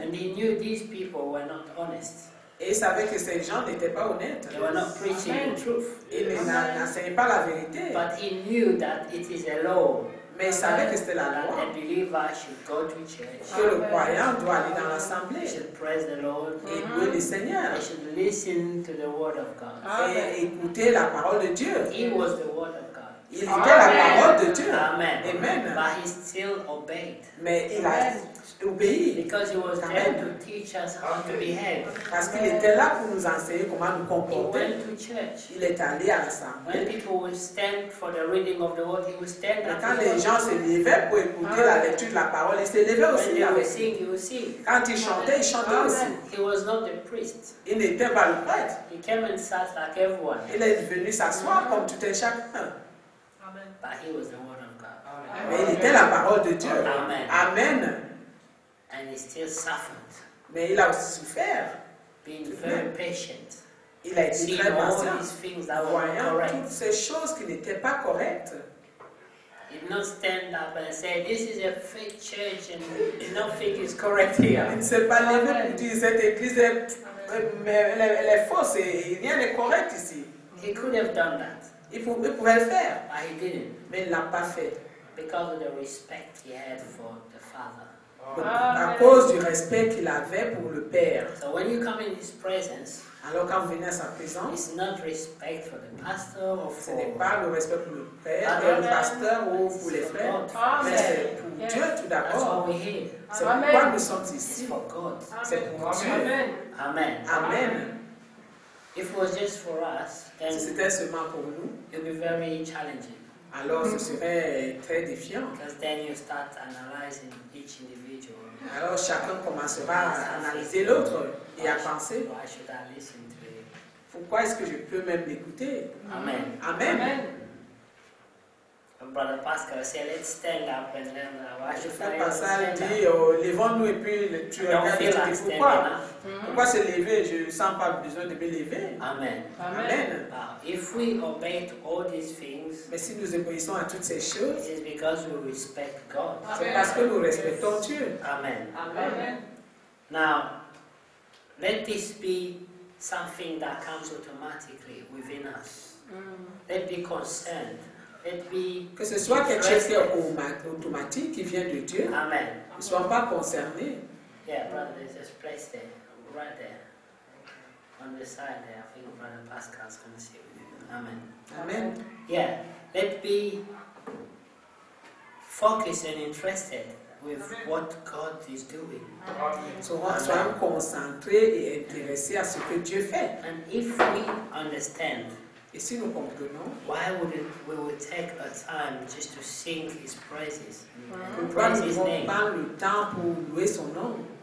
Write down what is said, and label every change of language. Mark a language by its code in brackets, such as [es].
[en] And he knew these people were not honest. [fr] Et il savait que ces gens n'étaient pas honnêtes. [en] They were not preaching Amen. The truth. [fr] Ils n'enseignaient pas la vérité. [en] But he knew that it is a law. [fr] Mais il savait que c'était la loi. [en] That a believer should go to church. [fr] Que le croyant doit aller dans l'assemblée. [en] He should praise the Lord. [fr] Et louer le Seigneur. [en] He should listen to the word of God. [fr] Et écouter la parole de Dieu. [en] He was the word of God. [fr] Il était la parole de Dieu. [en] Amen. Amen. But he still obeyed. [fr] Mais il a obéi. [en] Because he was there to teach us how to behave. [fr] Parce qu'il était là pour nous enseigner comment nous comporter. [en] He went to church. [fr] Il est allé à l'assemblée. [en] When people would stand for the reading of the word, he would stand. [fr] Et quand les gens se levaient pour écouter la lecture de la parole, il se levait aussi. [en] When he would sing, he would sing. [fr] Quand il chantait, il chantait aussi. [en] He was not the priest. [fr] Il n'était pas le prêtre. [en] He came and sat like everyone. [fr] Il est venu s'asseoir comme tout un chacun. [en] But he was the word of God. [fr] Mais il était la parole de Dieu. [en] Amen. Amen. And he still suffered. [fr] Mais il a aussi souffert. [en] Being very patient. [fr] Il a été très patient. [en] These things that were not correct. [fr] Voyant toutes ces choses qui n'étaient pas correctes. [en] He did not stand up and say, this is a fake church and nothing is correct here. [fr] Il ne s'est pas levé pour dire, cette église est fausse et rien n'est correct ici. [en] He could have done that. [fr] Il pouvait le faire, [en] but he didn't. [fr] Mais il ne l'a pas fait. [en] Because of the respect he had for the Father. [fr] À cause du respect qu'il avait pour le Père. [en] So when you come in his presence, [fr] alors quand vous venez à sa présence, [en] it's not respect for the pastor or for, [fr] ce n'est pas le respect pour le Père, et le pasteur ou pour les frères, mais c'est pour Dieu tout d'abord. C'est pourquoi nous sommes ici. [en] For God. [fr] C'est pour Dieu. [en] Amen. Amen. Amen. If it was just for us, then [fr] si c'était seulement pour nous, [en] it would be very challenging. [fr] Alors ce serait très défiant. [en] Because then you start analyzing each individual. [fr] Alors chacun commencera à analyser l'autre et à penser. [en] Why should I listen to him? [fr] Pourquoi est-ce que je peux même l'écouter? [en] Amen. Amen. Amen. Brother Pascal said, let's stand up and learn why should I Pascal stand [fr] dit, oh, levons-nous et puis tu regardes et tu pourquoi se lever, je ne sens pas besoin de me lever. [en] Amen. Amen. Amen. If we obey to all these things, [fr] mais si nous obéissons à toutes ces choses, [en] it is because we respect God. [fr] Amen. C'est parce que nous respectons Dieu. [en] Amen. Amen. Amen. Now, let this be something that comes automatically within us. Let's be concerned. [fr] Que ce soit quelque chose qui est automatique, qui vient de Dieu. [en] Amen. [fr] Ne sois pas concerné. [en] Yeah, brother, just place there, right there, on the side there. I think Brother Pascal's going to see you. Amen. Amen. Yeah, let be focused and interested with Amen. What God is doing. Amen. [fr] So, sois concentré et intéressé à ce que Dieu fait. [en] And if we understand. [fr] Et si nous comprenons, [en] why would we take a time just to sing his praises? [fr] Pourquoi ne prenons pas le temps pour louer son nom?